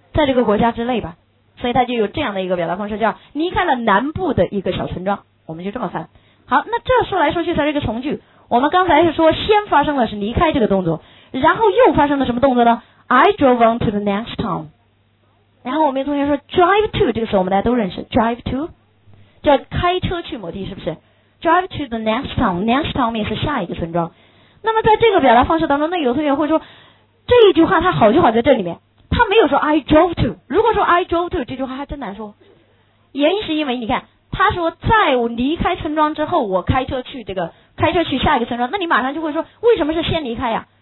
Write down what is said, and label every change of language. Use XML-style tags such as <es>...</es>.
<zh>在这个国家之内吧，所以它就有这样的一个表达方式，叫离开了南部的一个小村庄，我们就这么翻。好，那这说来说去才是一个从句，我们刚才是说先发生的是离开这个动作，然后又发生了什么动作呢？</zh> <en>I drove on to the next town，</en> <zh>然后我们同学说 drive to， 这个词我们大家都认识， drive to叫开车去某地，是不是？</zh> <en>Drive to the next town，</en> <zh>next town 面是下一个村庄。那么在这个表达方式当中，那有同学会说这一句话它好就好在这里面，它没有说</zh> <en>I drove to，</en> <zh>如果说</zh> <en>I drove to，</en> <zh>这句话还真难说，原因是因为你看他说在我离开村庄之后我开车去这个，开车去下一个村庄，那你马上就会说为什么是先离开呀？</zh>